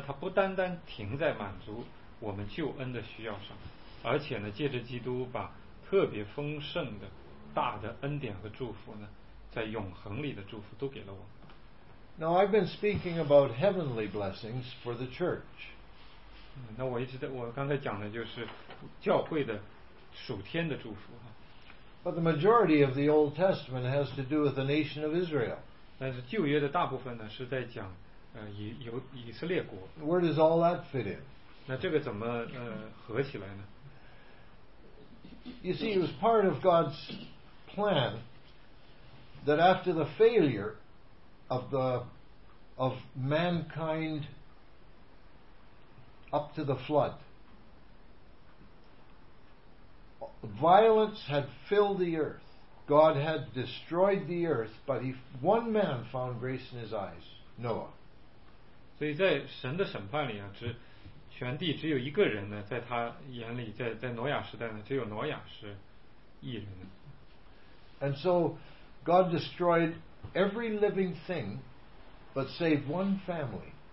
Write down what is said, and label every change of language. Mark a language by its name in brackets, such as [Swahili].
[Chinese] 所以新约呢，它是满足了这个需要，但是呢，它不单单停在满足。我们救恩的需要上，而且呢，借着基督把特别丰盛的、大的恩典和祝福呢，在永恒里的祝福都给了我们。 [English] Now I've been speaking about heavenly blessings for the church. [Chinese] 那我刚才讲的就是教会的属天的祝福。 [English] But the majority of the Old Testament has to do with the nation of Israel. [Chinese] 但是旧约的大部分呢，是在讲以色列国。 [English] Where does all that fit in? [Chinese] 那这个怎么合起来呢？ [English] You see, it was part of God's plan that after the failure of mankind up to the flood, violence had filled the earth. God had destroyed the earth, but one man found grace in his eyes, Noah. [Chinese] 所以在神的审判里啊， 全地只有一个人呢，在他眼里，在挪亚时代呢，只有挪亚是义人。 [English] And so God destroyed every living thing but saved one family.